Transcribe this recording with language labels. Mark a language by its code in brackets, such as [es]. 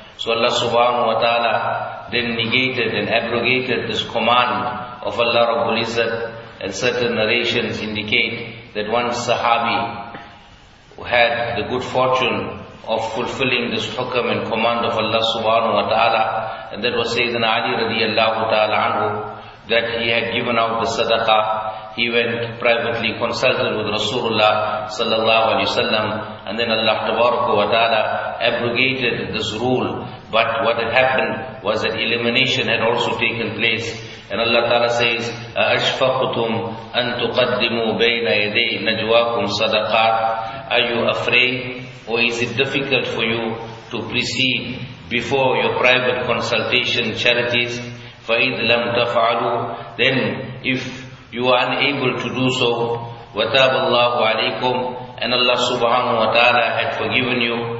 [en] So Allah subhanahu wa ta'ala then negated and abrogated this command of Allah Rabbul Izzat, and certain narrations indicate that one sahabi who had the good fortune of fulfilling this hukam and command of Allah subhanahu wa ta'ala, and that was Sayyidina Ali radiallahu ta'ala anhu, that he had given out the sadaqah. He went privately, consulted with Rasulullah sallallahu alayhi wa sallam, and then Allah tabaraka wa ta'ala abrogated this rule. But what had happened was that elimination had also taken place. And Allah ta'ala says, [ar] أَشْفَقْتُمْ أَن تُقَدِّمُوا بَيْنَ يَدَيْ نَجْوَاكُمْ صَدَقَاتٍ. [en] Are you afraid, or is it difficult for you to proceed before your private consultation charities? [ar] فَإِذْ لَمْ تَفْعَلُوا, [en] then if you are unable to do so, [ar] وَتَابَ اللَّهُ عَلَيْكُمْ, [en] and Allah subhanahu wa ta'ala had forgiven you,